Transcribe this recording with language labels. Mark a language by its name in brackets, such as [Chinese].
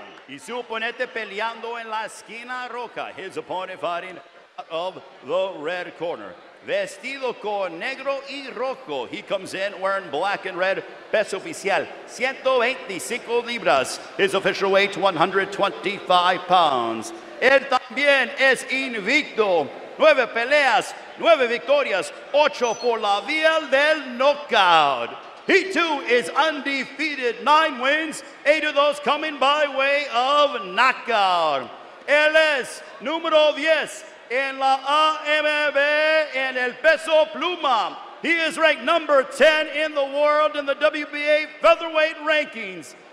[Spanish] Y su oponente peleando en la esquina roja, [English] his opponent fighting out of the red corner. [Spanish] Vestido con negro y rojo. [English] He comes in wearing black and red. [Spanish] Peso oficial, 125 libras. [English] His official weight, 125 pounds. [Spanish] Él también es invicto. 9 peleas, 9 victorias, 8 por la vía del knockout. [English] He too is undefeated. 9 wins, 8 of those coming by way of knockout. [Spanish] Él es número 10. En la AMB, en el peso pluma. [English] He is ranked number 10 in the world in the WBA featherweight rankings.